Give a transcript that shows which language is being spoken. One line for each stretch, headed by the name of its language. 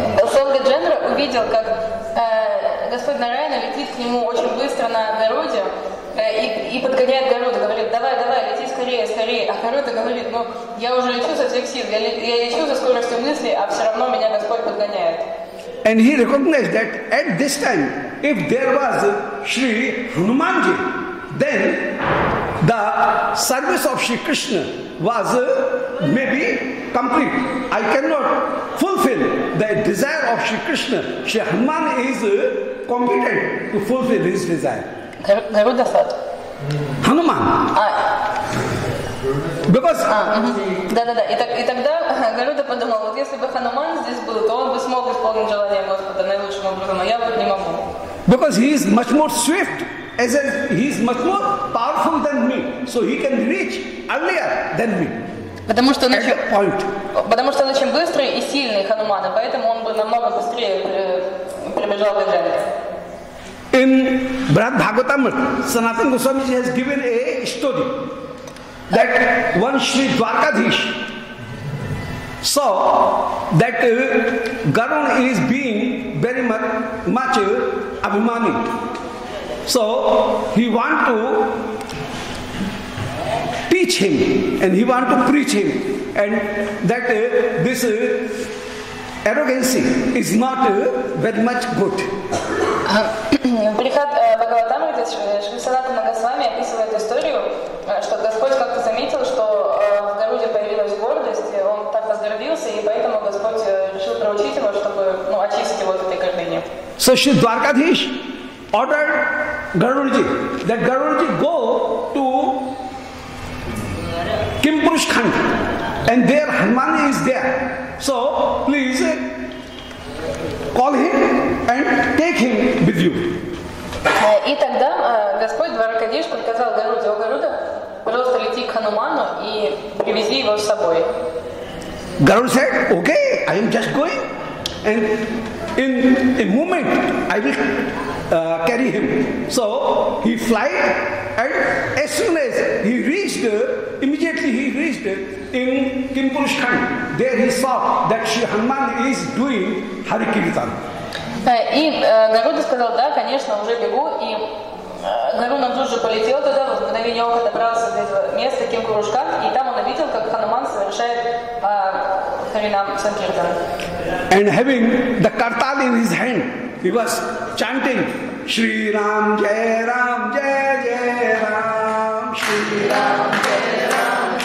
Russian: Слон Гаджендра увидел, как Господь Нарайана летит к нему очень быстро на Гаруде и подгоняет Гаруду, говорит: давай, лети скорее. А Гаруда говорит: я уже лечу со всех сил, я лечу за скоростью мысли, а все равно меня Господь подгоняет.
English: And he recognized that at this time, if there was Shri Hanumanji, then the service of Shri Krishna was maybe complete. I cannot fulfill the desire of Shri Krishna. Shri Hanuman is competent to fulfill his desire. Garuda said. Hanuman. Because.
Russian: И тогда Garuda подумал, вот если бы Hanuman здесь был, то он бы смог исполнить желание Господа наилучшим образом, а я вот не могу.
English: Because he is much more swift. As he is much more powerful than me, so he can reach earlier than me.
Russian: Потому что он очень
English: point.
Russian: Потому что он очень быстрый и сильный Хануман, поэтому он бы намного быстрее прибежал к Гаджендре.
English: In Brahmabhagavatam, Sanatana Goswami has given a story that one Shri Dwarkadhish saw that Garuda is being very much abhimani. So he want to teach him and he want to preach him, and that this arrogancy is not very much good.
Russian: Прихат Бхагаватамрите Шри Санатана Госвами описывает историю, что Господь как-то заметил, что в Гаруде появилась гордость, он так возгордился, и поэтому Господь решил проучить его, чтобы очистить его от этой гордыни.
English: So Shri Dwarkadhish ordered Garudji that Garudji go to Kimpurush Khan and there Hanuman is there. So please call him and take him with you.
Russian: И тогда Господь Дваракадиш приказал Гаруде: «О Гаруда, просто лети к Хануману и привези его с собой».
English: Garuda said, okay, I am just going and in a moment I will carry him. So he fly and as soon as he reached, immediately he reached in Kimpurush Khan. There he saw that Shri Hanuman is doing Hari Kirtan.
Russian: И Garuda сказал, да, конечно, уже бегу. И Garuda тут же полетел туда, в мгновение ока добрался до этого места, Kimpurush Khan, и там он увидел, как Хануман совершает Харинам Санкиртан.
English: And having the kartal in his hand, he was chanting, Shri Ram Jai Ram Jai Jai Ram, Shri Ram.